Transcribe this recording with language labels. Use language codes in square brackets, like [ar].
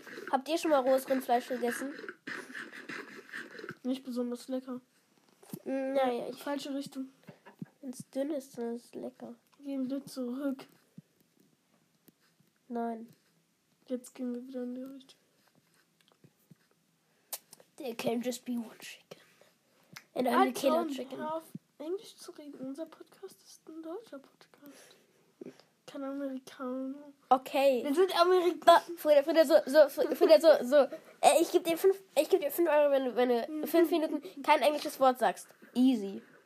[de] Habt ihr schon mal rohes Rindfleisch gegessen? Nicht besonders lecker. Naja, ich... Falsche Richtung. Wenn es dünn ist, dann ist es lecker. Gehen wir zurück. Nein. Jetzt gehen wir wieder in die Richtung. [en] There can just be one chicken. [de] In einem Kinderchicken. Auf Englisch zu reden. Unser Podcast ist ein deutscher Podcast. Kein Amerikaner. Okay. Wir sind Amerikaner. Ich geb dir 5 Euro, wenn du 5 Minuten kein englisches Wort sagst. [en] Easy.